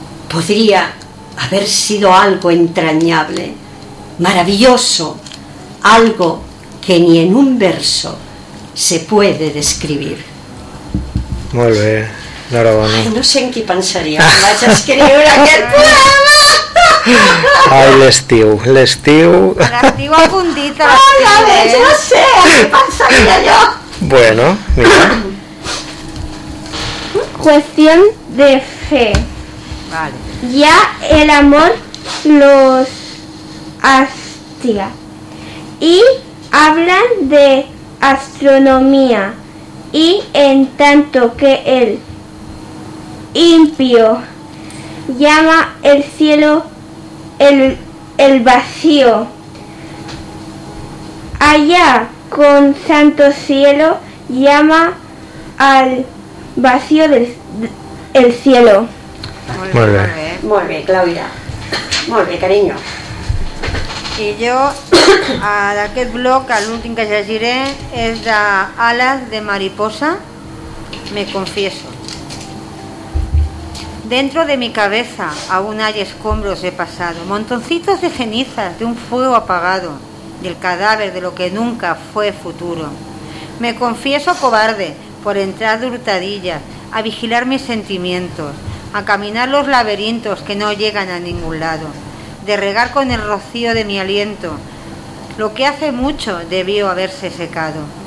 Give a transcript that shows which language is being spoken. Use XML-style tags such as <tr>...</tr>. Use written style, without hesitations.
<es>Podría haber sido algo entrañable, maravilloso, algo que ni en un verso se puede describir. Muy bien, enhorabuena. No sé en qué pensaría, vas a escribir aquel poema.</es> <ca>Ai, l'estiu... L'estiu a puntita. Ai, a més, no sé, què pensaria jo?</ca> <es>Bueno, mira. Cuestión de fe. Vale. Ya el amor los hastia. Y hablan de astronomía. Y en tanto que el impío llama el cielo el vacío, allá con santo cielo llama al vacío del cielo. Muy bien. Muy bien, Claudia. Muy bien, cariño. Y yo,</es> <ca>a aquest blog, a l'últim que llegiré, és de Alas de Mariposa,</ca> <es>me confieso. Dentro de mi cabeza aún hay escombros de pasado, montoncitos de cenizas de un fuego apagado, del cadáver de lo que nunca fue futuro. Me confieso cobarde por entrar de hurtadillas a vigilar mis sentimientos, a caminar los laberintos que no llegan a ningún lado, de regar con el rocío de mi aliento lo que hace mucho debió haberse secado.</es>